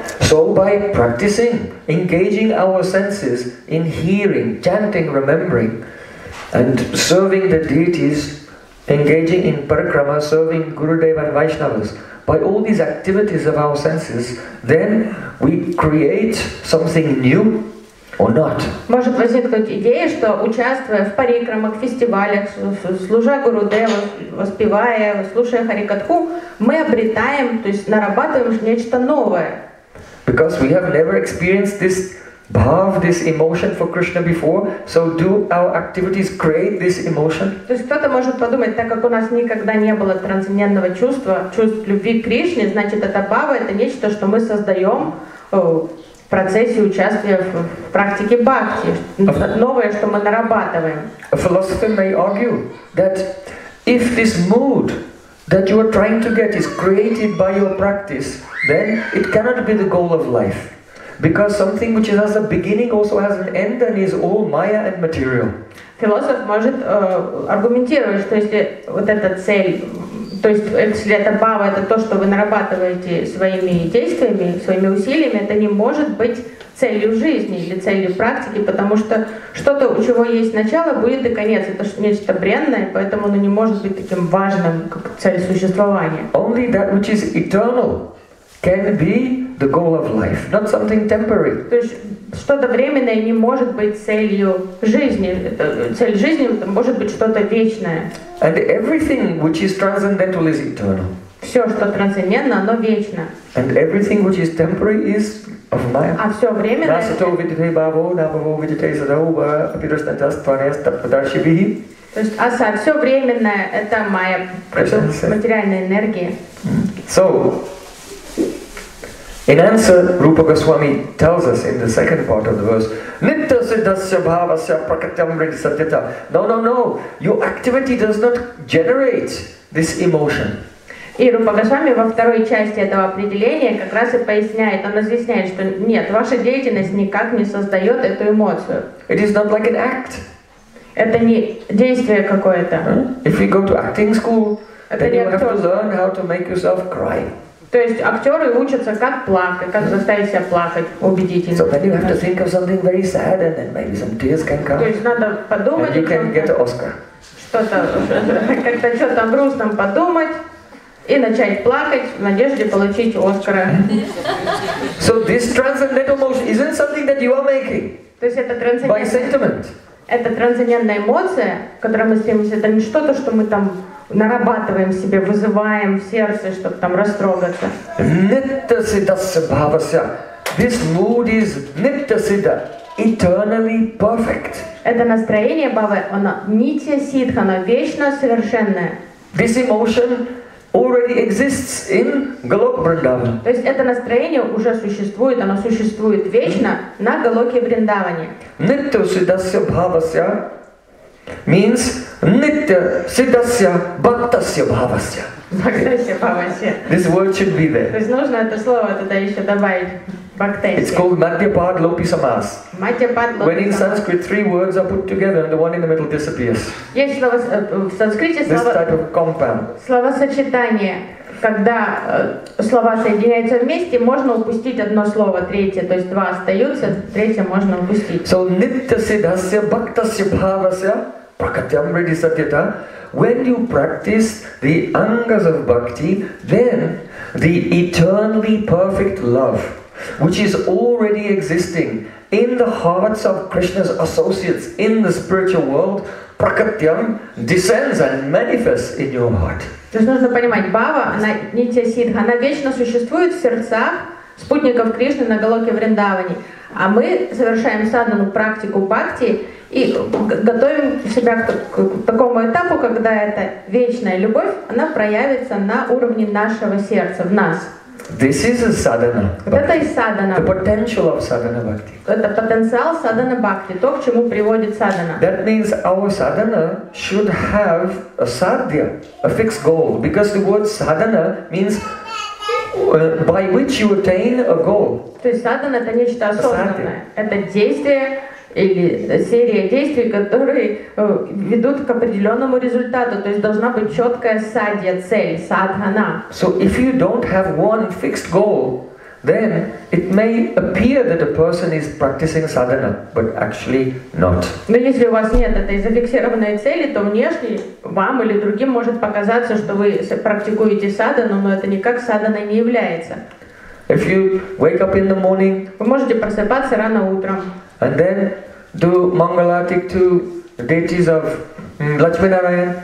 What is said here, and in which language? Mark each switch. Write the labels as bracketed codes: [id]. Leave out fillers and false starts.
[en] So by practicing, engaging our senses in hearing, chanting, remembering, and serving the deities, engaging in parakrama, serving Gurudev and Vaishnavas, by all these activities of our senses, then we create something new or not. [ru] Может возникнуть идея, что участвуя в парикрамах, фестивалях, служа Гурудеву, воспевая, слушая харикатху, мы обретаем, то есть нарабатываем нечто новое. [en] Because we have never experienced this bhav, this emotion for Krishna before, so do our activities create this emotion? [ru] То есть кто-то может подумать, так как у нас никогда не было трансцендентного чувства, чувств любви к Кришне, значит, это бхава, это нечто, что мы создаем в процессе участия в практике бхакти, новое, что мы нарабатываем. [en] A philosopher may argue that if this mood that you are trying to get is created by your practice, then it cannot be the goal of life. Because something which has a beginning also has an end and is all maya and material. [ru] Философ может аргументировать, что если вот эта цель, то есть если это бхава, это то, что вы нарабатываете своими действиями, своими усилиями, это не может быть целью жизни или целью практики, потому что что-то, у чего есть начало, будет и конец. Это нечто бренное, поэтому оно не может быть таким важным, как цель существования. [en] Only that which is eternal can be the goal of life, not something temporary. [ru] То есть что-то временное не может быть целью жизни. Цель жизни может быть что-то вечное. [en] And everything which is transcendental is eternal. [ru] Все, что трансцендентно, оно вечно. [en] And everything which is temporary is of maya. [ru] А все временное. [sa] Насато виджетейбаво, набаво виджетейсадауба, апидрастантастванеста падаршибихи. [ru] То есть аса, все временное, это майя, материальная энергия. [en] So, in answer, Rupa Goswami tells us in the second part of the verse, [sa] Nitya siddhasya bhavasya prakatyam vridhi satyata. [en] No, no, no. Your activity does not generate this emotion. [ru] И Рупа Госвами во второй части этого определения как раз и поясняет, он разъясняет, что нет, ваша деятельность никак не создает эту эмоцию. [en] It is not like an act. [ru] Это не действие какое-то. [en] If you go to acting school, then you have to learn how to make yourself cry. [ru] То есть актеры учатся как плакать, как заставить себя плакать убедительно. [en] So then you have to think of something very sad, and then maybe some tears can come. [ru] То есть надо подумать. [en] And you can get an Oscar. [ru] Что-то как-то что-то грустно подумать и начать плакать в надежде получить Оскара. [en] So this transcendental emotion isn't something that you are making. [ru] То есть это трансцендентное. [en] By sentiment. [ru] Это трансцендентная эмоция, к которой мы стремимся. Это не что-то, что мы там нарабатываем себе, вызываем в сердце, чтобы там растрогаться. [sa] Nittasiddhasya bhavasya. [en] This mood is nittasiddha, eternally perfect. [ru] Это настроение бхавы, оно нитья сиддха, оно вечно совершенное. [en] This emotion already exists in Галоке Вриндаване. [ru] То есть это настроение уже существует, оно существует вечно на Галоке Вриндаване. [sa] Nittasiddhasya bhavasya means nitya siddhasya bhaktasya bhavasya. Bhaktasya bhavasya. [en] This word should be there. [ru] То есть нужно это слово тогда еще добавить. [sa] Bhaktasya. [en] It's called madhyapad lopi samas. [sa] Madhyapad lopi. [en] When in Sanskrit three words are put together and the one in the middle disappears. [ru] Есть слово в санскрите слово. [en] This type of compound. [ru] Словосочетание. Когда слова соединяются вместе, можно упустить одно слово, третье. То есть два остаются, третье можно упустить. [sa] So nitya siddhasya bhaktasya bhavasya prakatyam vridhi satyata. [en] When you practice the angas of bhakti, then the eternally perfect love, which is already existing in the hearts of Krishna's associates in the spiritual world, prakatyam descends and manifests in your heart. [ru] То есть нужно понимать, бхава, она нитья сиддха, она вечно существует в сердцах спутников Кришны на Галоке Вриндаване. А мы совершаем садхану, практику бхакти, и готовим себя к такому этапу, когда эта вечная любовь, она проявится на уровне нашего сердца, в нас. [en] This is a sadhana. [ru] Это и sadhana. [en] The potential of sadhana bhakti. [ru] Это потенциал sadhana bhakti, то к чему приводит sadhana. [en] That means our sadhana should have a sadhya, a fixed goal, because the word sadhana means by which you attain a goal. [ru] То есть sadhana это нечто осознанное, это действие или серия действий, которые ведут к определенному результату, то есть должна быть четкая садья, цель, садхана. [en] So if you don't have one fixed goal, then it may appear that a person is practicing sadhana, but actually not. [ru] Но если у вас нет этой зафиксированной цели, то внешне вам или другим может показаться, что вы практикуете садхану, но это никак садханой не является. [en] If you wake up in the morning, [ru] вы можете просыпаться рано утром. [en] And then do mangalarti to deities of Lakshmi Narayan.